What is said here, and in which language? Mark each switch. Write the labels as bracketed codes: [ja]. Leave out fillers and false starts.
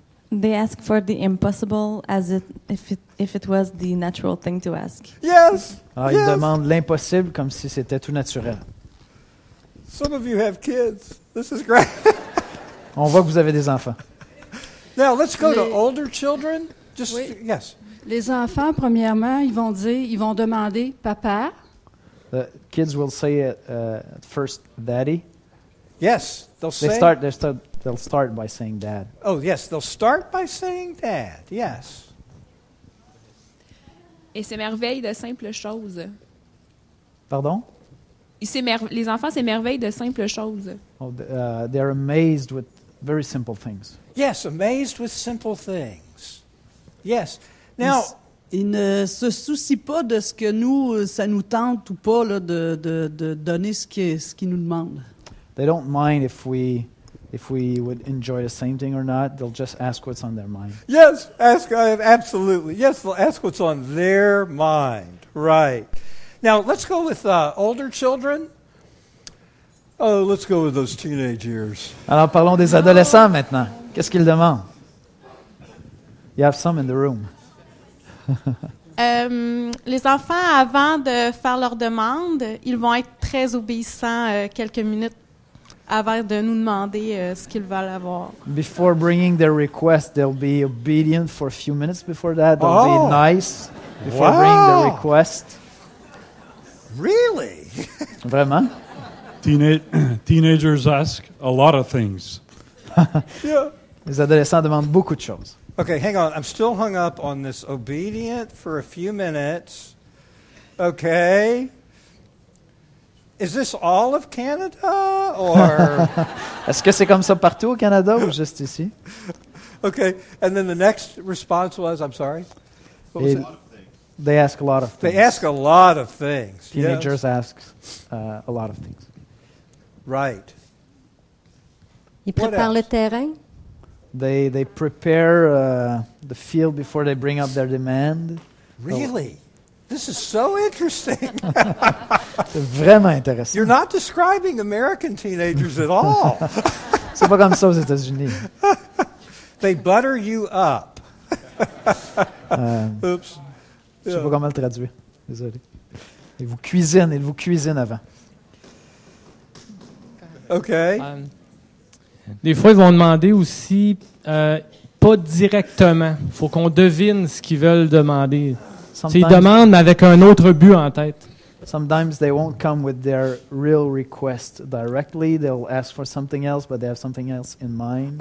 [en] They ask for the impossible as if it was the natural thing to ask. Yes. Ah, yes. [fr] Ils demandent l'impossible comme si c'était tout naturel. [en] Some of you have kids. This is great. [fr] On voit que vous avez des enfants. [en] Now let's go to older children. Just [fr] oui. [en] Yes. [fr] Les enfants, premièrement, ils vont demander papa. [en] The kids will say at first daddy. Yes, they'll say. They'll start by saying dad. Oh, yes. They'll start by saying dad. Yes. [fr] Et s'émerveillent de simples choses. Pardon? Les enfants s'émerveillent de simples choses. [en] Oh, they're amazed with very simple things. Yes, amazed with simple things. Yes. Now, [fr] ils ne se soucient pas de ce que nous, ça nous tente ou pas là, de donner ce qu'ils nous demandent. [en] They don't mind if we would enjoy the same thing or not. They'll just ask what's on their mind. Yes, ask absolutely. Yes, they'll ask what's on their mind. Right. Now, let's go with older children. Oh, let's go with those teenage years. [fr] Alors, parlons des adolescents maintenant. Qu'est-ce qu'ils demandent? [en] You have some in the room. [fr] Les enfants, avant de faire leur demande, ils vont être très obéissants quelques minutes. avant de nous demander ce qu'ils veulent avoir. [en] Before bringing their request, they'll be obedient for a few minutes before that. They'll be nice before bringing their request. Really? [fr] Vraiment? [en] Teenagers ask a lot of things. [fr] Les adolescents demandent beaucoup de choses. [en] Okay, hang on. I'm still hung up on this obedient for a few minutes. Okay. Is this all of Canada or [fr] Est-ce que c'est comme ça partout au Canada ou juste ici? [en] Okay, and then the next response was, I'm sorry. What was that? They ask a lot of things. They ask a lot of things. Teenagers ask a lot of things. Right. [fr] Ils préparent le terrain. [en] They prepare the field before they bring up their demand. Really? This is so interesting. [fr] C'est vraiment intéressant. [en] You're not describing American teenagers at all. [fr] C'est pas comme ça aux États-Unis. [en] They butter you up. [fr] Oops. Je sais pas comment le traduire. Désolé. Ils vous cuisinent avant. [en] Okay. [fr] Des fois, ils vont demander aussi, pas directement. Il faut qu'on devine ce qu'ils veulent demander. Ils demandent avec un autre but en tête. [en] Sometimes they won't come with their real request directly. They'll ask for something else, but they have something else in mind.